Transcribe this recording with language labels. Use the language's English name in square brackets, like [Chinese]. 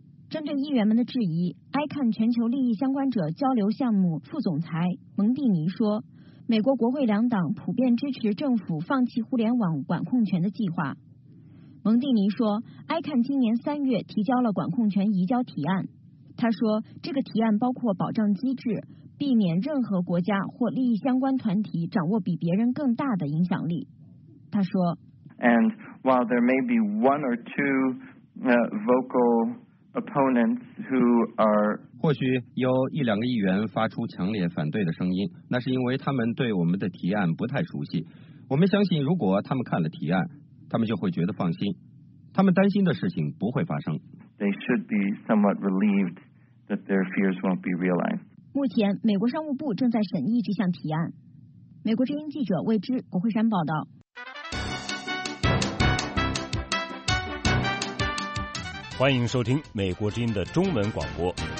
[Chinese] 针对议员们的质疑， ICANN 全球利益相关者交流项目副总裁蒙蒂尼说，美国国会两党普遍支持政府放弃互联网管控权的计划。蒙蒂尼说， ICANN 今年三月提交了管控权移交提案，他说这个提案包括保障机制，避免任何国家或利益相关团体掌握比别人更大的影响力。他说， [English] And while there may be one or two vocal opponents who are [Chinese] 或许有一两个议员发出强烈反对的声音，那是因为他们对我们的提案不太熟悉。我们相信如果他们看了提案，他们就会觉得放心，他们担心的事情不会发生。 [English] They should be somewhat relieved that their fears won't be realized. [Chinese] 目前，美国商务部正在审议这项提案。美国之音记者魏之国会山报道。欢迎收听美国之音的中文广播。